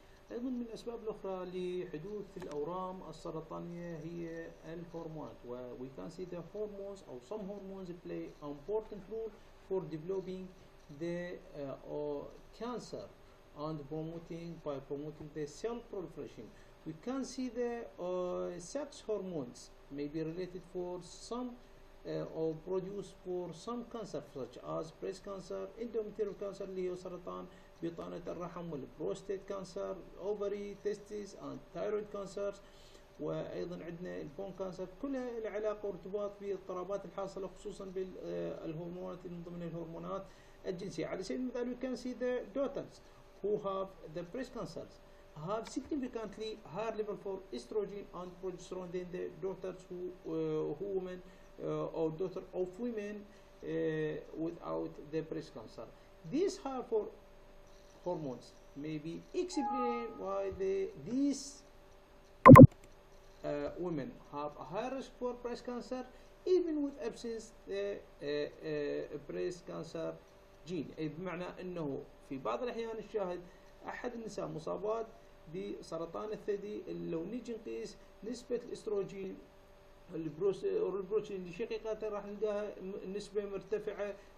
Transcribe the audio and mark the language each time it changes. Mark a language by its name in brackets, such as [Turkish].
[Arabic] ايضا من الاسباب الاخرى لحدوث الاورام السرطانيه هي الهرمونات، و [English] we can see the hormones or some hormones play an important role for developing the cancer and promoting by promoting the cell proliferation. We can see the sex hormones may be related for some or produced for some cancer such as breast cancer, endometrial cancer [Arabic] اللي هو سرطان بطانة الرحم، والبروستيت كانسر، [English] ovary, testes and thyroid cancers، [Arabic] وايضا عندنا البون كانسر. كلها لها علاقه وارتباط بالاضطرابات الحاصله خصوصا بالهرمونات من ضمن الهرمونات الجنسية. على سبيل المثال [English] we can see the daughters who have the breast cancers have significantly higher level for estrogen and progesterone than the daughters who women or daughter of women without the breast cancer. these are for hormones. Maybe explain why these women have a higher risk for breast cancer even with absence the breast cancer gene. [Arabic] بمعنى انه في بعض الاحيان الشاهد احد النساء مصابات بسرطان الثدي لو نيجي نقيس نسبة الاستروجين والبروتين شقيقة راح نلقاها نسبة مرتفعة